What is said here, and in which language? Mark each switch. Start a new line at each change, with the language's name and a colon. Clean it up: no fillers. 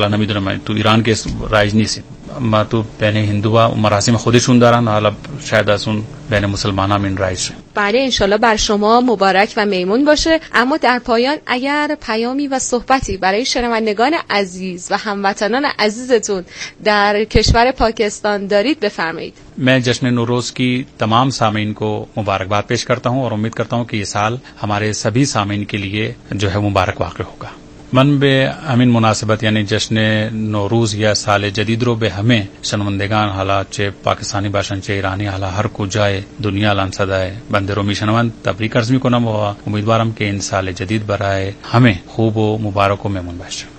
Persian: حالا نمیدونم تو ایران که رایج نیست، ما تو بین هندوها مراسم خودشون دارن، حالا شاید از اون بین مسلمان هم این رایج شه. بله انشالله بر شما مبارک و میمون باشه. اما در پایان اگر پیامی و صحبتی برای شنوندگان عزیز و هموطنان عزیزتون در کشور پاکستان دارید بفرمایید.
Urdu: من جشن نوروز کی تمام سامعین کو مبارکباد پیش کرتا ہوں اور امید کرتا ہوں کہ یہ سال ہمارے سبھی سامعین کے لیے جو ہے مبارک واقع ہوگا.
Persian: من به همین مناسبت یعنی جشن نوروز یا سال جدید رو به همه شنوندگان، حالا چه پاکستانی باشن چه ایرانی، حالا هر کجای دنیا الان صدای بنده رو میشنوند تبریک عرض میکنم و امیدوارم که این سال جدید برای همه خوب و مبارک و میمون باشه.